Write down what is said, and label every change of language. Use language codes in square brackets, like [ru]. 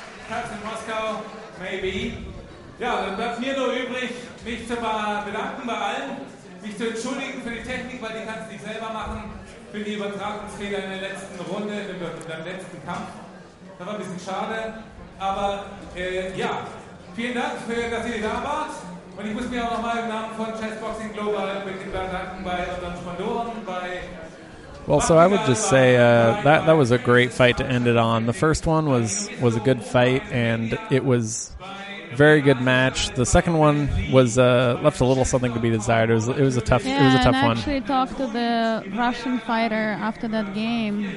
[en] Perhaps in Moscow, maybe. [de] Ja, dann bleibt mir nur übrig, mich zu bedanken bei allen, mich zu entschuldigen für die Technik, weil die kannst du nicht selber machen, für die Übertragungsfehler in der letzten Runde, in deinem letzten Kampf. Das war ein bisschen schade. Aber ja, vielen Dank, dass ihr da wart. Und ich muss mir auch nochmal im Namen von Chessboxing Global bedanken bei unseren Sponsoren, bei. [en] Well, so I would just say that was a great fight to end it on. The first one was a good fight, and it was very good match. The second one was left a little something to be desired. It was a tough one. I actually talked to the Russian fighter after that game.